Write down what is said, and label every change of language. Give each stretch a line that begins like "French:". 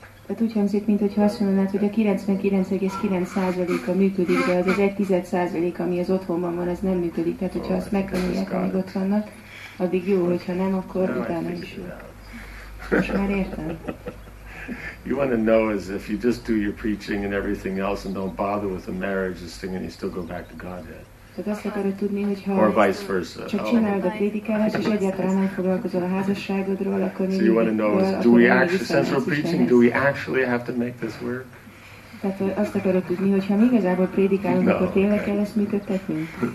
Hungarian: Tehát úgy hangzik, mint hogyha azt mondanád, hogy a 99,9%-a működik, de az az 1%, ami az otthonban van, az nem működik. Tehát hogyha azt megtanulják, amíg ott vannak, addig jó, hogyha nem, akkor utána is jó. Most már értem.
English: You want to know is if you just do your preaching and everything else and don't bother with the marriage, this thing, and you still go back to Godhead.
Hungarian: Tehát azt akarod tudni, hogyha
English: or vice versa.
Hungarian: Csak csináld a prédikálást, és egyáltalán nem foglalkozol a házasságodról, akkor
English: so you want to know, do we actually, since we're preaching, do we actually have to make this work?
Hungarian: Tehát azt akarod tudni, hogyha mi igazából prédikálunk, akkor tényleg kell ezt működtetni?